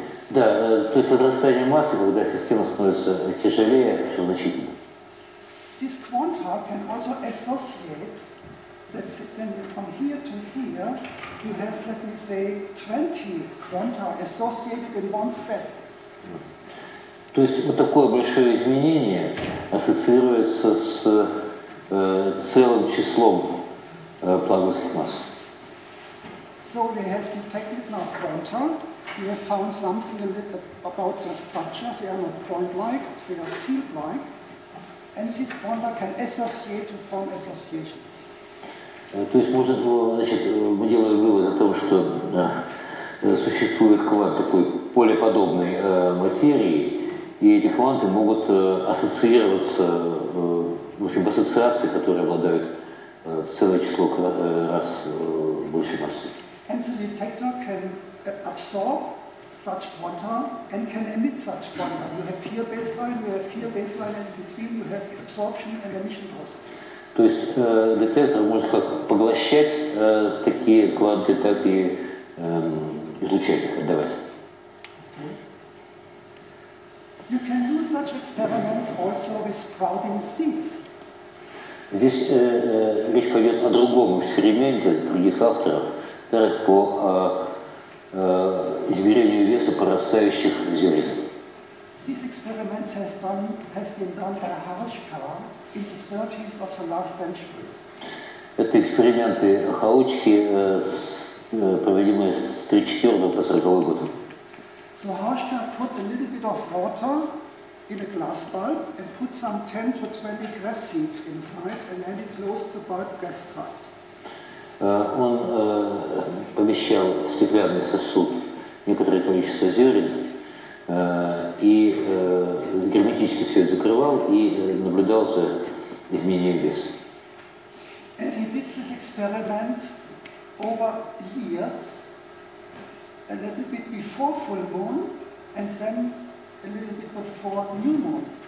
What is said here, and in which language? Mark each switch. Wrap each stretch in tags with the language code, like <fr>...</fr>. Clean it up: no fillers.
<ru>Да, то есть возрастание массы, когда система становится тяжелее, чем значительно.</ru> <en>These quanta can also associate. That then from here to here, you have, let me say, 20 quanta associated in one step.</en> <ru>То есть вот такое большое изменение ассоциируется с целым числом планковских масс.</ru> <en>So we have detected now quanta. We have found something a little about the structures. They are not point-like. They are field-like. And these quanta can associate to form associations.</en> <ru>То есть мы делаем вывод о том, что существует квант такой полеподобной материи, и эти кванты могут ассоциироваться, в общем, в ассоциации, которые обладают в целое число раз большей массы.</ru> <en>And the detector can absorb such quanta and can emit such quanta. You have here baseline, you have here baseline, and between you have absorption and emission processes.</en> <ru>То есть детектор может как поглощать такие кванты, так и излучать их, отдавать.</ru> <en>You can do such experiments also with sprouting seeds.</en> <ru>Здесь речь пойдет о другом эксперименте других авторов, так по измерению веса прорастающих зелень.</ru> <en>These experiments has been done by Haruchka in the 30s of the last century.</en> <ru>Это эксперименты Хаучки, проводимые с 34 по 40 год.</ru> <en>So Haruchka put a little bit of water in a glass bulb and put some 10 to 20 grass seeds inside and then he closed the bulb gas tight.</en> <ru>Он помещал в стеклянный сосуд некоторое количество зелени. И герметически все это закрывал и наблюдал за изменением веса.</ru> <en>And he did this experiment over years, a little bit before full moon, and then a little bit before new moon.</en>